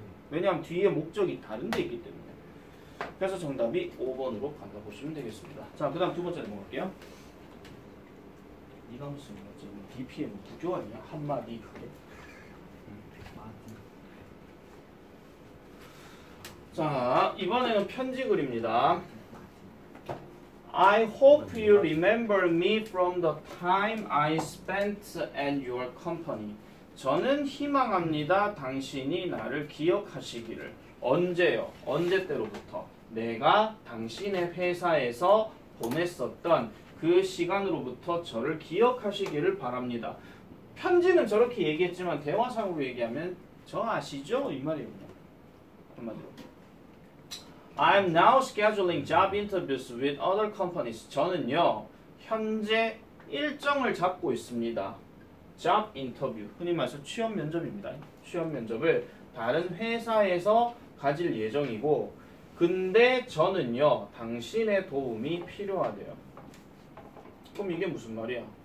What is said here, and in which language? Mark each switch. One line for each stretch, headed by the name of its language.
Korean: 왜냐하면 뒤에 목적이 다른 데 있기 때문에. 그래서 정답이 5번으로 간다 보시면 되겠습니다. 자, 그 다음 두 번째 넘어갈게요. 네가 무슨 말이지? DPM 구조 아니야? 한마디 그게? 자, 이번에는 편지 글입니다.
English: I hope you remember me from the time I spent at your company.
Korean: 저는 희망합니다. 당신이 나를 기억하시기를. 언제요? 언제 때로부터? 내가 당신의 회사에서 보냈었던 그 시간으로부터 저를 기억하시기를 바랍니다. 편지는 저렇게 얘기했지만 대화상으로 얘기하면 저 아시죠? 이 말이에요. 한마디로.
English: I'm now scheduling job interviews with other companies.
Korean: 저는요, 현재 일정을 잡고 있습니다. Job interview, 흔히 말해서 취업 면접입니다. 취업 면접을 다른 회사에서 가질 예정이고, 근데 저는요, 당신의 도움이 필요하대요. 그럼 이게 무슨 말이야?